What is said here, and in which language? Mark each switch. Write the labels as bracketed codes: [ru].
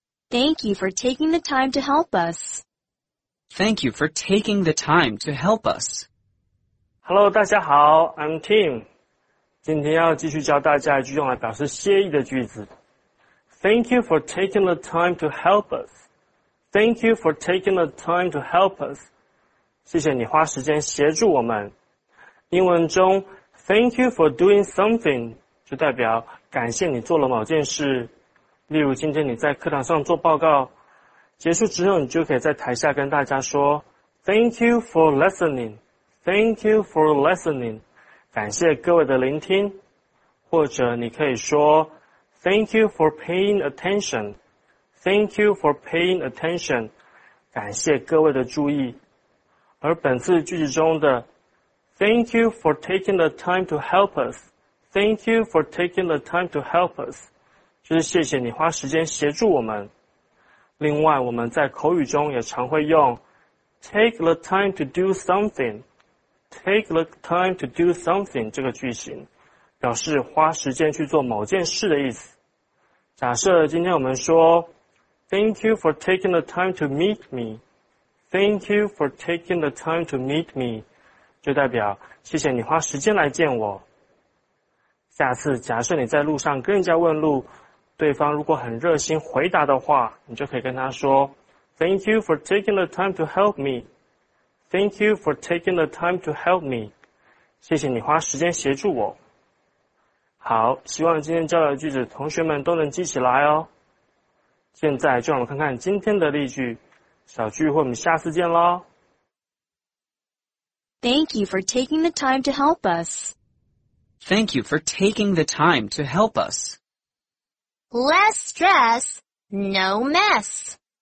[en] Thank you for taking the time to help us. Thank you for taking the time to help us. Hello, [zh] 大家好 [en] ,I'm Tim. [zh] 今天要继续教大家一句用来表示谢意的句子。 [en] Thank you for taking the time to help us. Thank you for taking the time to help us. [zh] 谢谢你花时间协助我们。英文中 , [en] thank you for doing something, [zh] 就代表感谢你做了某件事。例如今天你在课堂上做报告，结束之后你就可以在台下跟大家说 [en] Thank you for listening. Thank you for listening. [zh] 感谢各位的聆听。或者你可以说 [en] Thank you for paying attention. Thank you for paying attention. [zh] 感谢各位的注意。而本次句子中的 [en] Thank you for taking the time to help us. Thank you for taking the time to help us. [zh] 就是谢谢你花时间协助我们。另外我们在口语中也常会用 [en] take the time to do something, [zh] take the time to do something 这个句型，表示花时间去做某件事的意思。假设今天我们说 [en] Thank you for taking the time to meet me, Thank you for taking the time to meet me, [zh] 就代表谢谢你花时间来见我。下次假设你在路上跟人家问路，对方如果很热心回答的话，你就可以跟他说 [en] Thank you for taking the time to help me. Thank you for taking the time to help me. [zh] 谢谢你花时间协助我。好，希望今天教的句子同学们都能记起来哦。现在就让我们看看今天的例句。小聚会我们下次见咯。 [en] Thank you for taking the time to help us. Thank you for taking the time to help us. Less stress, no mess.